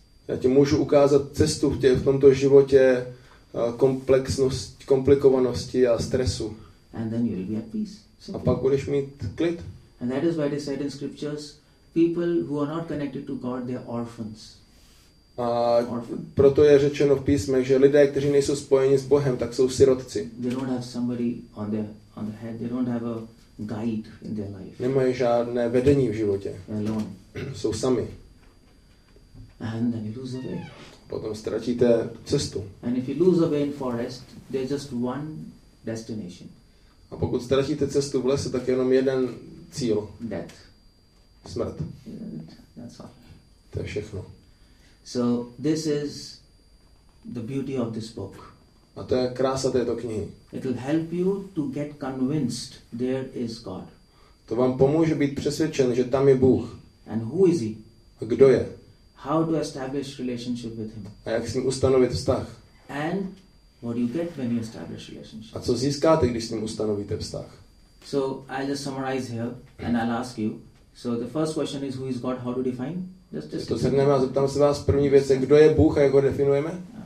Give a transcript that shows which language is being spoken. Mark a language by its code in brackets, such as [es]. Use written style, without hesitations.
[cs] Já ti můžu ukázat cestu v tomto životě, komplexnost, komplikovanosti a stresu. [en] And then you'll be at peace. [cs] A pak budeš mít klid. [en] And that is why they said in scriptures, people who are not connected to God, they are orphans. [cs] A proto je řečeno v písmech, že lidé, kteří nejsou spojeni s Bohem, tak jsou sirotci. [en] They don't have somebody on their head. They don't have a guide in their life. [cs] Nemají žádné vedení v životě. [en] Alone. [cs] Jsou sami. [en] And then you lose the way. [cs] Potom ztratíte cestu. [en] And if you lose the way in forest, there's just one destination. [cs] A pokud ztratíte cestu v lese, tak je jenom jeden cíl. [en] Death. [cs] Smrt. [en] That's all. [cs] To je všechno. [en] So this is the beauty of this book. [cs] A to je krása této knihy. [en] It will help you to get convinced there is God. [cs] To vám pomůže být přesvědčen, že tam je Bůh. [en] And who is he? [cs] A kdo je? [en] How to establish relationship with him? [cs] A jak s ním ustanovit vztah? [en] And what do you get when you establish relationship? [cs] A co získáte, když s ním ustanovíte vztah? [en] So I'll just summarize here and I'll ask you. So the first question is who is God? How to define? Just [cs] to shrneme a zeptám se vás první věc, kdo je Bůh a jak ho definujeme?